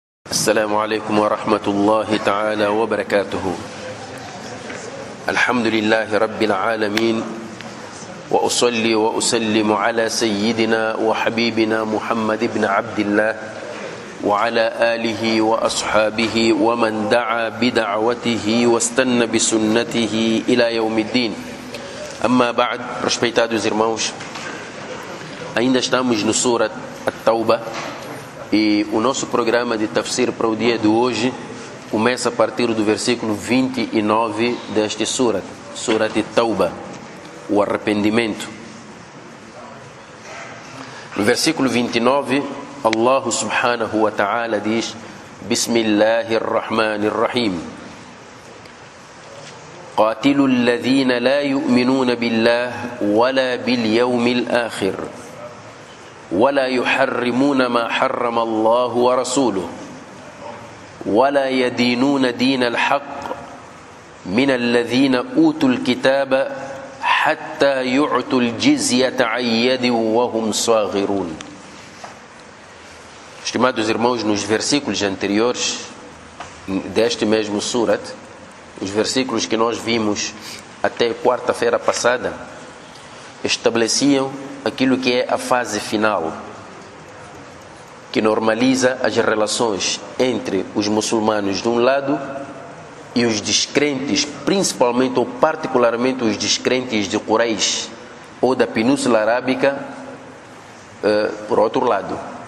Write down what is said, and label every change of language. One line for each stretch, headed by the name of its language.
Arabic: السلام عليكم ورحمة الله تعالى وبركاته الحمد لله رب العالمين وأصلي وأسلم على سيدنا وحبيبنا محمد بن عبد الله وعلى آله وأصحابه ومن دعا بدعوته واستنى بسنته إلى يوم الدين أما بعد
Portuguese: respeitados irmãos, ainda estamos no
Arabic: سورة التوبة.
Portuguese: E o nosso programa de tafsir para o dia de hoje começa a partir do versículo 29 deste surat, surat Tauba, o arrependimento. No versículo 29, Allah subhanahu wa ta'ala diz:
Arabic: Bismillahir Rahmanir Rahim. Qatilu alladhina la yu'minuna billah wa la bil yawmil akhir. ولا يحرمون ما حرم الله ورسوله ولا يدينون دين الحق من الذين أوتوا الكتاب حتى يعطوا الجزية عن يد وهم صاغرون.
Portuguese: Estimados irmãos, nos versículos anteriores deste mesmo surat, os versículos que nós vimos até quarta-feira passada, estabeleciam aquilo que é a fase final, que normaliza as relações entre os muçulmanos de um lado e os descrentes, principalmente ou particularmente os descrentes de Quraysh ou da Península Arábica, por outro lado.